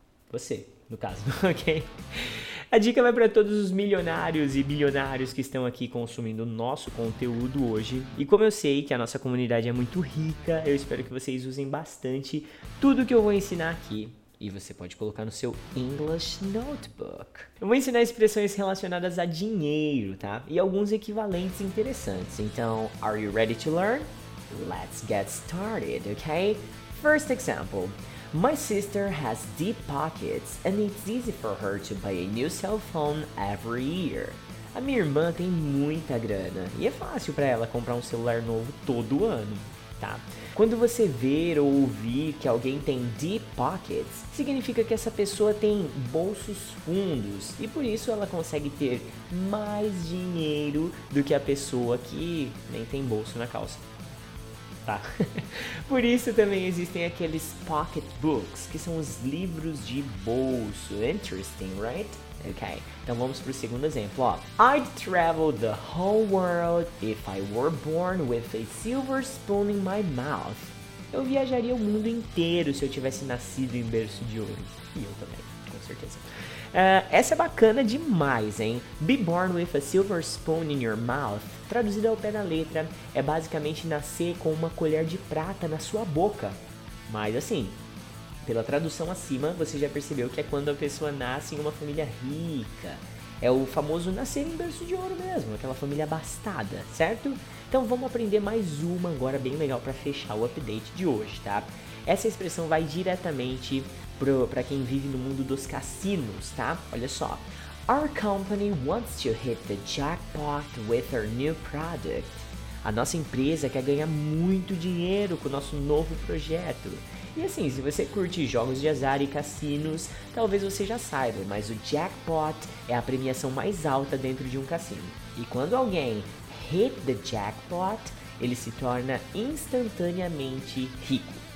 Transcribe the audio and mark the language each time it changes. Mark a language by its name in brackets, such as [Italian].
[Portuguese] Você, no caso, ok? A dica vai para todos os milionários e bilionários que estão aqui consumindo o nosso conteúdo hoje. E como eu sei que a nossa comunidade é muito rica, eu espero que vocês usem bastante tudo que eu vou ensinar aqui. E você pode colocar no seu English Notebook. Eu vou ensinar expressões relacionadas a dinheiro, tá? E alguns equivalentes interessantes. Então, [English] are you ready to learn? Let's get started, okay? First example. My sister has deep pockets and it's easy for her to buy a new cell phone every year. [Portuguese] A minha irmã tem muita grana e é fácil para ela comprar um celular novo todo ano. Tá. Quando você ver ou ouvir que alguém tem [English] deep pockets, [Portuguese] significa que essa pessoa tem bolsos fundos e por isso ela consegue ter mais dinheiro do que a pessoa que nem tem bolso na calça. Tá. Por isso também existem aqueles pocketbooks, que são os livros de bolso. [English] Interesting, right? Okay. [Portuguese] Então vamos pro segundo exemplo. Ó. [English] I'd travel the whole world if I were born with a silver spoon in my mouth. [Portuguese] Eu viajaria o mundo inteiro se eu tivesse nascido em berço de ouro. E eu também, com certeza. Essa é bacana demais, hein? [English] Be born with a silver spoon in your mouth, [Portuguese] traduzido ao pé da letra, é basicamente nascer com uma colher de prata na sua boca. Mas assim, pela tradução acima, você já percebeu que é quando a pessoa nasce em uma família rica. É o famoso nascer em berço de ouro mesmo, aquela família abastada, certo? Então vamos aprender mais uma agora bem legal para fechar o update de hoje, tá? Essa expressão vai diretamente para quem vive no mundo dos cassinos, tá? Olha só. [English] Our company wants to hit the jackpot with our new product. [Portuguese] A nossa empresa quer ganhar muito dinheiro com o nosso novo projeto. E assim, se você curte jogos de azar e cassinos, talvez você já saiba, mas o jackpot é a premiação mais alta dentro de um cassino. E quando alguém [English] hit the jackpot, [Portuguese] ele se torna instantaneamente rico.